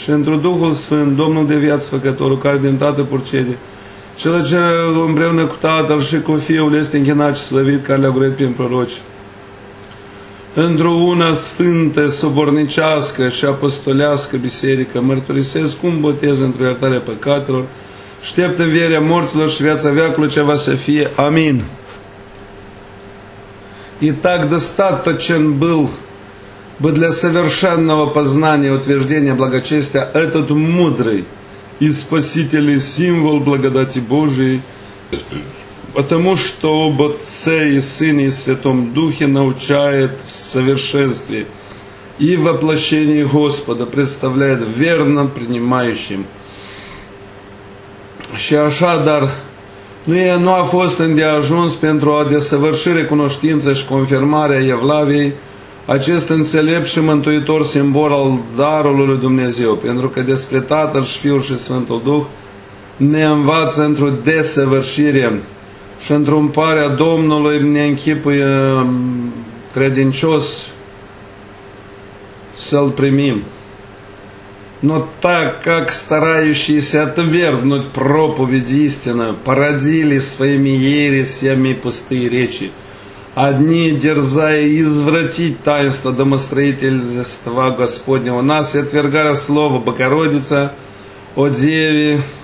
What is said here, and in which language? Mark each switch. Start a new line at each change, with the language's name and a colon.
Romanian: Și într-un Duhul Sfânt, Domnul de viață Făcătorul, care din Tatăl purcede, cel ce împreună cu Tatăl și cu Fiul este închinat și slăvit, care le-a gurit prin proroci. Într-o una sfântă, sobornicească și apostolească biserică, mărturisesc cum botez într-o iertare păcatelor, aștept învierea morților și viața veacului ce va să fie. Amin.
Russian: И так достато, чем был бы для совершенного познания и утверждения благочестия этот мудрый и спасительный символ благодати Божией, потому что об Отце и Сыне и Святом Духе научает в совершенстве и воплощении Господа, представляет верно принимающим.
Romanian: Și așadar, nu a fost îndeajuns pentru a desăvârși recunoștință și confirmarea evlaviei acest înțelept și mântuitor simbol al darului lui Dumnezeu, pentru că despre Tatăl și Fiul și Sfântul Duh ne învață într-o desăvârșire și într-o împare a Domnului ne închipuie credincios să-L primim.
Russian: Но так как старающиеся отвергнуть проповедь истины породили своими ересями пустые речи, одни дерзая извратить таинство домостроительства Господня у нас и отвергая слово Богородица о Деве,